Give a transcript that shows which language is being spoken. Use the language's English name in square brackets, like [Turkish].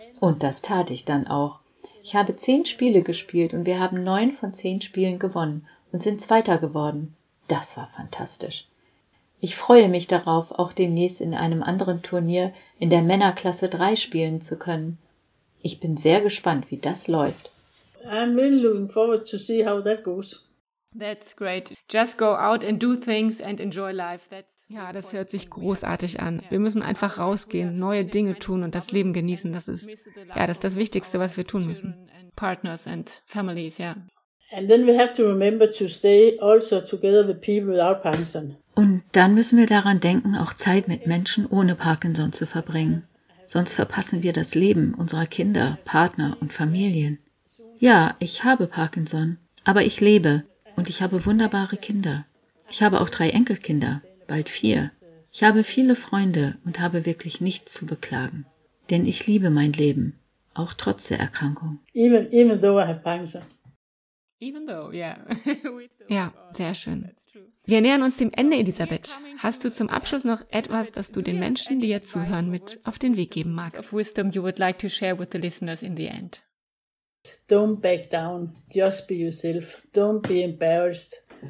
[German] Und das tat ich dann auch. Ich habe 10 Spiele gespielt und wir haben 9 von 10 Spielen gewonnen und sind Zweiter geworden. Das war fantastisch. Ich freue mich darauf, auch demnächst in einem anderen Turnier in der Männerklasse 3 spielen zu können. Ich bin sehr gespannt, wie das läuft. [English] I'm really looking forward to see how that goes. That's great. Just go out and do things and enjoy life. [German] Ja, das hört sich großartig an. Wir müssen einfach rausgehen, neue Dinge tun und das Leben genießen. Das ist ja das Wichtigste, was wir tun müssen. [English] Partners and families, yeah. And then we have to remember to stay also together with people without Parkinson. [German] Und dann müssen wir daran denken, auch Zeit mit Menschen ohne Parkinson zu verbringen. Sonst verpassen wir das Leben unserer Kinder, Partner und Familien. Ja, ich habe Parkinson, aber ich lebe. Und ich habe wunderbare Kinder. Ich habe auch 3 Enkelkinder, bald 4. Ich habe viele Freunde und habe wirklich nichts zu beklagen. Denn ich liebe mein Leben, auch trotz der Erkrankung. [English] Even though I have Parkinson. Even though, yeah. [German] Ja, sehr schön. Wir nähern uns dem Ende, Elisabeth. Hast du zum Abschluss noch etwas, das du den Menschen, die jetzt zuhören, mit auf den Weg geben magst? [English] Of wisdom you would like to share with the listeners in the end. Don't back down, just be yourself, don't be embarrassed.